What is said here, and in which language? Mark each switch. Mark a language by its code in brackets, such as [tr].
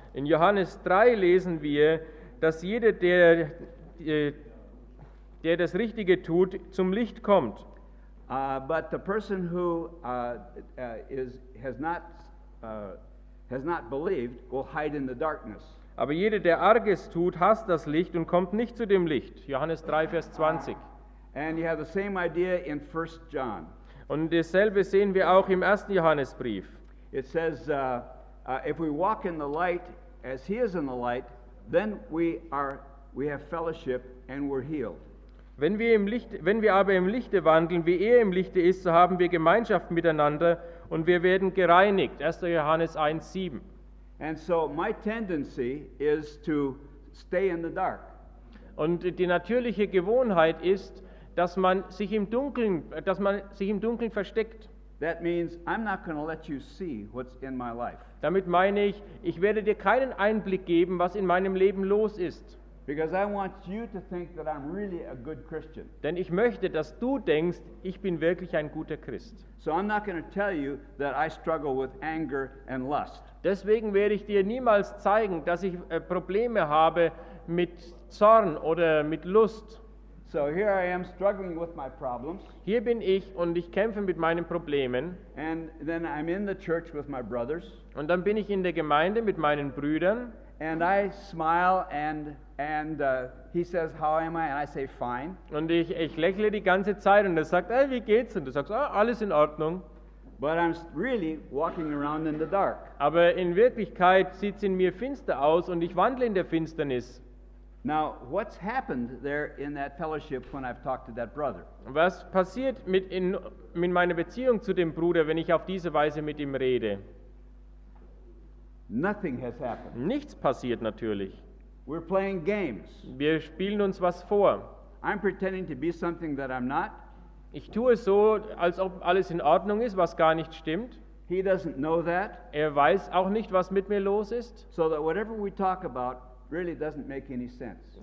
[de] In Johannes 3 lesen wir, dass jeder, der das Richtige tut, zum Licht kommt. [en] But the person who has not believed will hide in the darkness. [de] Aber jeder, der Arges tut, hasst das Licht und kommt nicht zu dem Licht. Johannes 3, Vers 20. [en] And you have the same idea in 1 John. [de] Und dasselbe sehen wir auch im 1. Johannesbrief. [en] It says, if we walk in the light as he is in the light, then we have fellowship and we're healed. [de] Wenn wir aber im Lichte wandeln, wie er im Lichte ist, so haben wir Gemeinschaft miteinander und wir werden gereinigt. 1. Johannes 1:7. [en] And so my tendency is to stay in the dark. [de] Und die natürliche Gewohnheit ist, dass man sich im Dunkeln versteckt. [en] That means I'm not going to let you see what's in my life. [de] Damit meine ich, ich werde dir keinen Einblick geben, was in meinem Leben los ist. [en] Because I want you to think that I'm really a good Christian. [de] Denn ich möchte, dass du denkst, ich bin wirklich ein guter Christ. [en] So I'm not going to tell you that I struggle with anger and lust. [de] Deswegen werde ich dir niemals zeigen, dass ich Probleme habe mit Zorn oder mit Lust. [en] So here I am struggling with my problems. [de] Hier bin ich und ich kämpfe mit meinen Problemen. [en] And then I'm in the church with my brothers. [de] Und dann bin ich in der Gemeinde mit meinen Brüdern. [en] And I smile and he says, how am I? And I say, fine. [de] Und ich lächle die ganze Zeit und er sagt, hey, wie geht's? Und du sagst, oh, alles in Ordnung. [en] But I'm really walking around in the dark. [de] Aber in Wirklichkeit sieht's in mir finster aus und ich wandle in der Finsternis. [en] Now, what's happened there in that fellowship when I've talked to that brother? [de] Was passiert mit meiner Beziehung zu dem Bruder, wenn ich auf diese Weise mit ihm rede? [en] Nothing has happened. [de] Nichts passiert natürlich. [en] We're playing games. [de] Wir spielen uns was vor. [en] I'm pretending to be something that I'm not. [de] Ich tue so, als ob alles in Ordnung ist, was gar nicht stimmt. [en] He doesn't know that. [de] Er weiß auch nicht, was mit mir los ist. [en] So that whatever we talk about really doesn't make any sense.